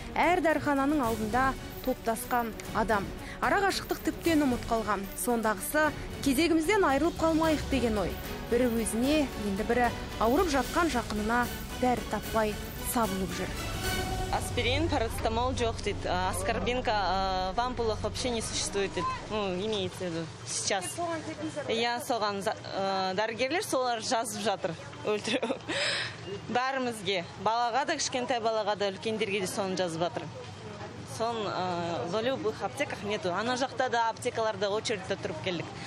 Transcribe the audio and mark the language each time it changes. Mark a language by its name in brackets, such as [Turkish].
[Kazakh] Әр дәрхананың алдында топтасқан адам. Ара қашықтық тіптен ұмыт қалған. Сондағысы кезегімізден айырылып қалмайық деген ой. Бірі өзіне, енді бірі ауырып жатқан жақынына дәрі таппай сабылып жүр. Аспирин, парацетамол жоқ дейді. [Russian] Аскорбинка в ампулах вообще не существует [Kazakh] дейді. [Russian] Ну, имеется в виду сейчас. [Kazakh] Иә, соған дәрігерлер солар жазып жатыр. Өлтіру. Бәрімізге, балаға да, кішкентай балаға да, үлкендерге де соны жазып жатыр. Соң [Russian] в любых аптеках нету. [Kazakh] Ана жақта да аптекаларда очередьте тұрып келдік.